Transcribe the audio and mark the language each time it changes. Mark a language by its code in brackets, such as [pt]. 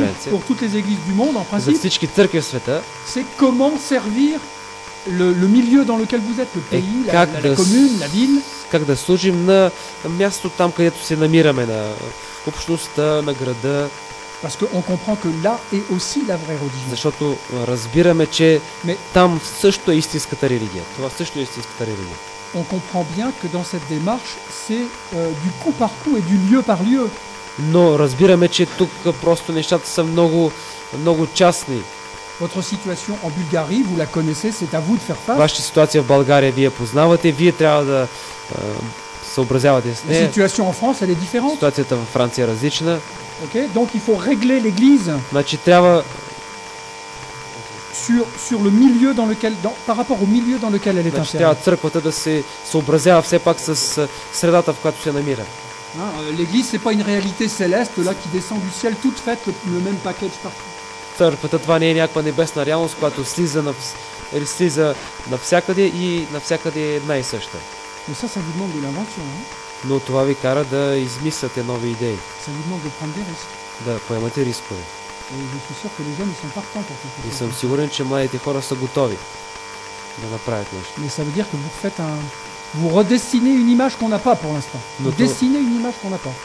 [fr] Pour toutes les églises du monde en principe. C'est comment servir le milieu dans lequel vous êtes, le pays, la commune, la ville. [bg] Как да служим на място там, където се намираме, на общността, на града. [fr] Parce qu'on comprend que là est aussi la vraie religion. [bg] Защото разбираме, че там също е истинската религия. Това също е истинската религия. [fr] On comprend bien que dans cette démarche, c'est du coup par coup et du lieu par lieu. [bg] Но разбираме, че тук просто нещата са много, много частни. [fr] Votre situation en Bulgarie, vous la connaissez, c'est à vous de faire face. [bg] Ваша ситуация в България вие познавате, вие трябва да съобразявате с [fr] нея. La situation en France, elle est différente. [bg] Ситуацията в Франция е различна. [fr] OK, donc il faut régler l'église. [bg] Значи трябва [fr] sur le milieu dans lequel par rapport au milieu dans lequel elle est installée. [bg] Значи църквата да се съобразява все пак с средата, в която се намира. [fr] L'église c'est pas une réalité céleste là qui descend du ciel toute faite le même package partout. [bg] Църквата, това не е някаква небесна реалност, която слиза навсякъде и навсякъде е една и съща. [fr] Mais ça vous demande de l'invention, hein? [bg] Но това ви кара да измисляте нови идеи. [fr] Ça vous demande de prendre des risques. [bg] Да поемате рискове. [fr] Et je suis sûr que les jeunes sont partants pour quelque [bg] chose. И съм сигурен, че младите хора са готови да направят нещо. [fr] Mais ça veut dire que vous faites vous redessinez une image qu'on n'a pas pour l'instant.